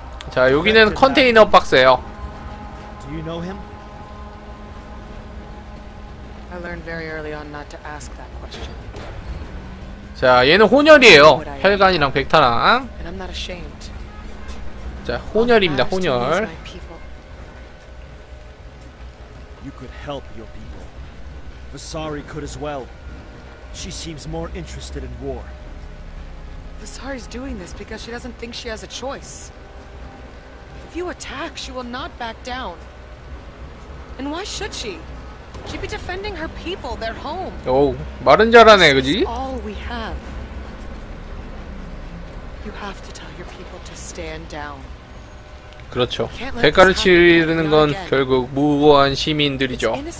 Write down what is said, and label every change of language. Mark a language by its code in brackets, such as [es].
[ko] 자, 여기는 컨테이너 박스예요. [en] Do you know him? I learned very early on not to ask that question. [ko] 자, 얘는 혼혈이에요. 혈관이랑 백탄랑. [en] And I'm not ashamed. [ko] 자, 혼혈입니다. 혼혈. [en] You could help your people. Vasari could as well. She seems more interested in war. Vasari's doing this because she doesn't think she has a choice. If you attack, she will not back down. And why should she? She'd be defending her people, their home. [ko] Oh, 말은 잘하네, 그지? [en] All we have. You have to tell your people to stand down. [ko] 그렇죠. 대가를 치르는 건 결국 무고한 시민들이죠.